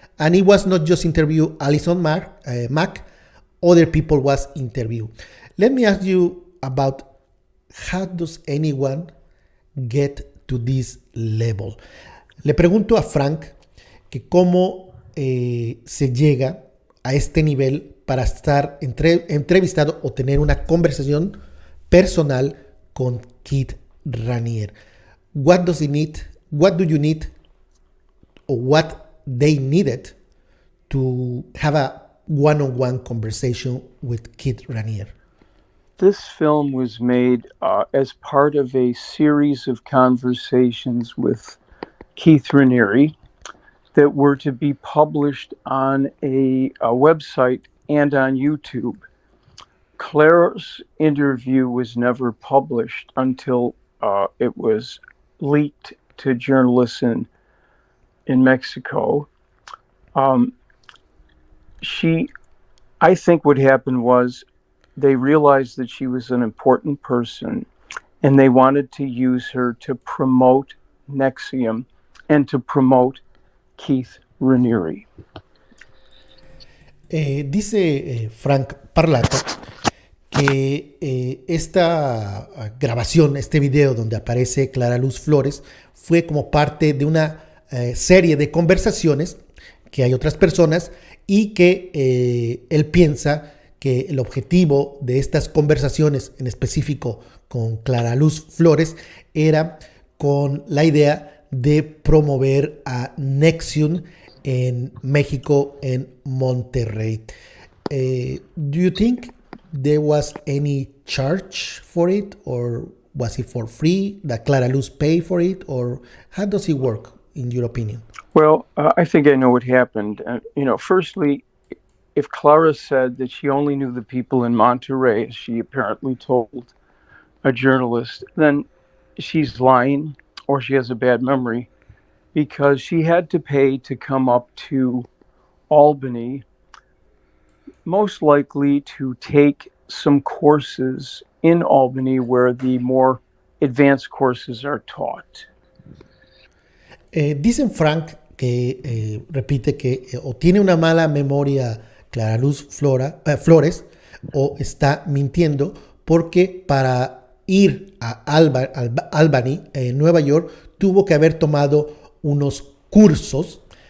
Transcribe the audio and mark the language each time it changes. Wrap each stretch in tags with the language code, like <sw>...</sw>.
<en>And it was not just interview Alison Mack. Other people was interviewed. Let me ask you about how does anyone get to this level?</en> <es>Le pregunto a Frank que cómo se llega a este nivel para estar entrevistado o tener una conversación personal con Kit Ranier.</es> <en>What does he need? What do you need? O what they needed to have a one-on-one conversation with Kit Ranier? This film was made as part of a series of conversations with Keith Raniere that were to be published on a website and on YouTube. Claire's interview was never published until it was leaked to journalists in Mexico. I think what happened was, they realized that she was an important person and they wanted to use her to promote Nexium and to promote Keith Raniere.</en> <es>Dice Frank Parlato que esta grabación, este video donde aparece Clara Luz Flores, fue como parte de una serie de conversaciones que hay otras personas y que él piensa que el objetivo de estas conversaciones, en específico con Clara Luz Flores, era con la idea de promover a Nexium en México, en Monterrey.</es> <en>Do you think there was any charge for it, or was it for free? That Clara Luz pay for it, or how does it work, in your opinion? Well, I think I know what happened. Firstly, if Clara said that she only knew the people in Monterrey, as she apparently told a journalist, then she's lying or she has a bad memory, because she had to pay to come up to Albany, most likely to take some courses in Albany where the more advanced courses are taught.</en> <es>Dicen Frank que repite que o tiene una mala memoria Clara Luz Flores o está mintiendo porque para ir a Albany, Nueva York, tuvo que haber tomado unos cursos.</es>